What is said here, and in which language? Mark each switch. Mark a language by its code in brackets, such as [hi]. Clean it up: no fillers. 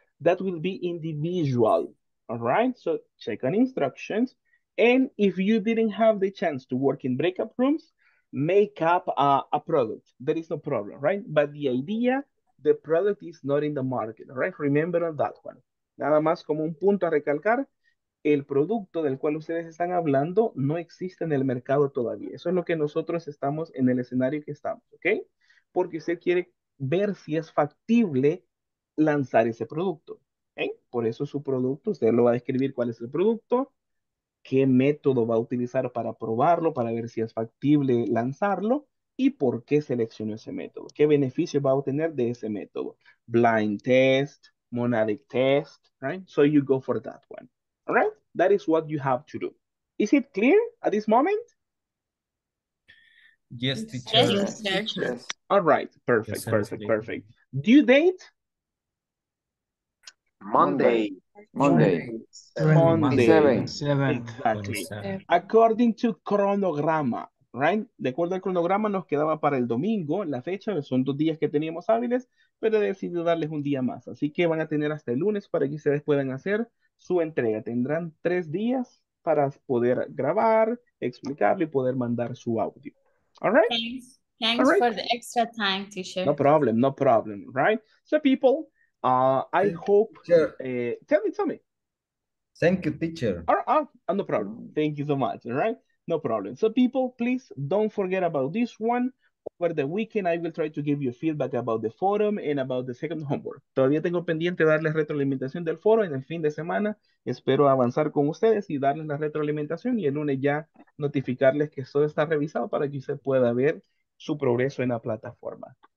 [en] That will be individual, all right? So check on instructions. And if you didn't have the chance to work in breakup rooms, make up a product. There is no problem, right? But the idea, the product is not in the market, right? Remember on that one. [es] Nada más como un punto a recalcar, el producto del cual ustedes están hablando no existe en el mercado todavía. Eso es lo que nosotros estamos en el escenario que estamos, okay? Porque usted quiere ver si es factible lanzar ese producto. ¿Eh? Por eso su producto, usted lo va a describir cuál es el producto, qué método va a utilizar para probarlo, para ver si es factible lanzarlo, y por qué seleccionó ese método. ¿Qué beneficio va a obtener de ese método? [en] Blind test, monadic test, right? So you go for that one, all right? That is what you have to do. Is it clear at this moment? Yes, teacher. Yes, teacher. All right. Perfect. Yes, perfect. Due date? Monday. 7th. Exactly. 7th. According to chronograma, right? [es] De acuerdo al cronograma, nos quedaba para el domingo la fecha, son 2 días que teníamos hábiles, pero he decidido darles un día más. Así que van a tener hasta el lunes para que ustedes puedan hacer su entrega. Tendrán 3 días para poder grabar, explicarlo y poder mandar su audio. [en] All right? Thanks all right. For the extra time, teacher. No problem, right? So, people, I hope... Tell me. Thank you, teacher. No problem. Thank you so much, all right? No problem. So, people, please don't forget about this one. Over the weekend, I will try to give you feedback about the forum and about the second homework. [es] Todavía tengo pendiente darles retroalimentación del foro en el fin de semana. Espero avanzar con ustedes y darles la retroalimentación y el lunes ya notificarles que todo está revisado para que usted pueda ver su progreso en la plataforma.